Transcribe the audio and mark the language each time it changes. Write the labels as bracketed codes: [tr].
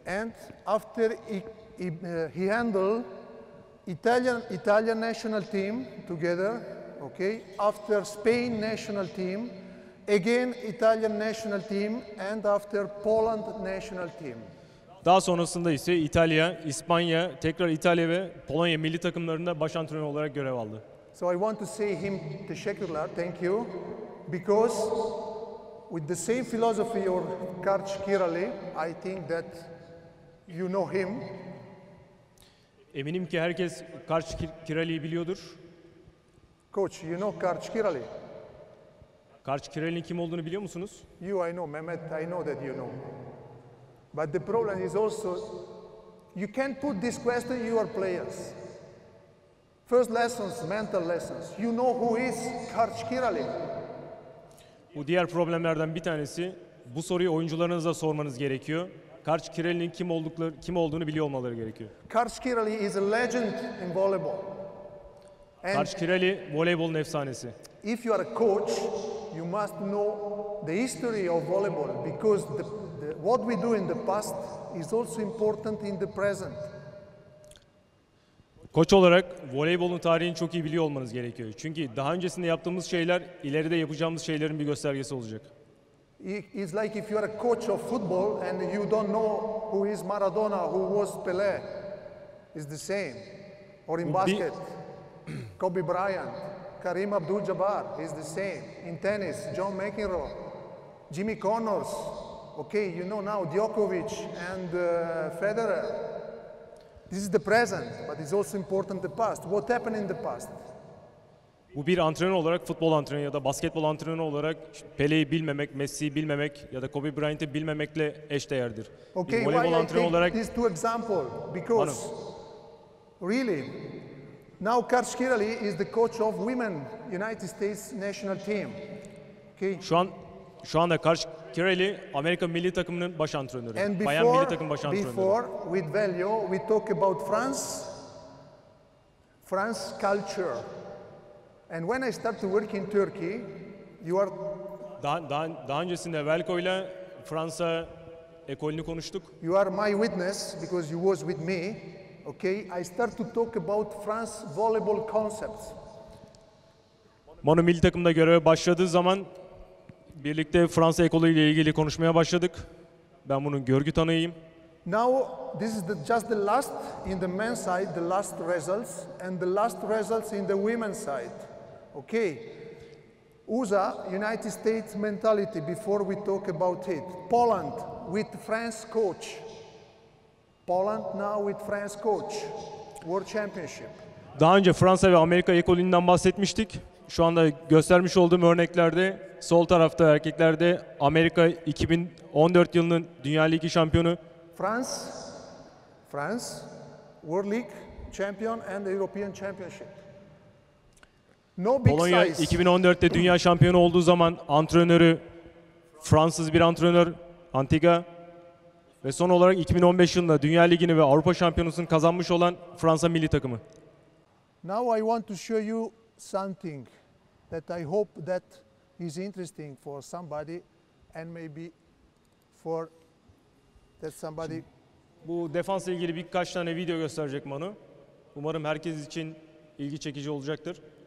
[en] And after he handled Italian national team together, okay, after Spain national team, again Italian national team, and after Poland national team. [tr] Daha sonrasında ise İtalya, İspanya, tekrar İtalya ve Polonya milli takımlarında baş antrenör olarak görev aldı. [en] So I want to say him teşekkürler, thank you, because with the same philosophy of Karc Kiraly, I think that you know him. [tr] Eminim ki herkes Karc Kiraly'yi biliyordur. [en] Coach, you know Karc Kiraly? [tr] Karc Kiraly'nin kim olduğunu biliyor musunuz? [en] You, I know, Mehmet, I know that you know. But the problem is also, you can't put this question to your players. First lessons, mental lessons. You know who is Karc Kiraly? [tr] Bu diğer problemlerden bir tanesi, bu soruyu oyuncularınıza sormanız gerekiyor. Karc Kiraly'nin kim olduğunu biliyor olmaları gerekiyor. [en] Karc Kiraly is a legend in volleyball. [tr] And Karc Kiraly voleybolun efsanesi. [en] If you are a coach, you must know the history of volleyball because the what we do in the past is also important in the present. [tr] Koç olarak voleybolun tarihini çok iyi biliyor olmanız gerekiyor. Çünkü daha öncesinde yaptığımız şeyler ileride yapacağımız şeylerin bir göstergesi olacak. [en] It's like if you are a coach of football and you don't know who is Maradona, who was Pelé, it's the same. Or in basket, Kobe Bryant, Kareem Abdul-Jabbar, it's the same. In tennis, John McEnroe, Jimmy Connors, okay, you know now Djokovic and Federer. This is the present, but it's also important the past. What happened in the past? [tr] Bu bir antrenör olarak, futbol antrenörü ya da basketbol antrenörü olarak Pele'yi bilmemek, Messi'yi bilmemek ya da Kobe Bryant'i bilmemekle eşdeğerdir. [en] Okay, [tr] bir voleybol antrenörü olarak... [en] These two examples, because Anım. Really, now Karc Kiraly is the coach of women United States national team. Okay. [tr] Şu anda Karc Kiraly Amerika milli takımının baş antrenörü. [en] And before, [tr] bayan milli takım baş antrenörü. [en] Before, with Velio, we talk about France culture. And when I start to work in Turkey, you are [tr] daha öncesinde Velko ile Fransa ekolünü konuştuk. [en] You are my witness because you was with me. Okay, I start to talk about France volleyball concepts. [tr] Manu milli takımda göreve başladığı zaman birlikte Fransa ekolü ile ilgili konuşmaya başladık. Ben bunun görgü tanığıyım. [en] Now this is just the last in the men's side, the last results and the last results in the women's side. Okay, USA, United States mentality, before we talk about it. Poland with France coach. Poland now with France coach. World Championship. [tr] Daha önce Fransa ve Amerika ekolünden bahsetmiştik. Şu anda göstermiş olduğum örneklerde, sol tarafta erkeklerde Amerika 2014 yılının Dünya Ligi şampiyonu. [en] France, World League champion and European Championship. No big size. [tr] Polonya 2014'te dünya şampiyonu olduğu zaman antrenörü Fransız bir antrenör Antiga ve son olarak 2015 yılında Dünya Ligi'ni ve Avrupa Şampiyonası'nı kazanmış olan Fransa milli takımı. [en] Now I want to show you something that I hope that is interesting for somebody and maybe for that somebody. [tr] Şimdi bu defansla ilgili birkaç tane video gösterecek Manu. Umarım herkes için ilgi çekici olacaktır.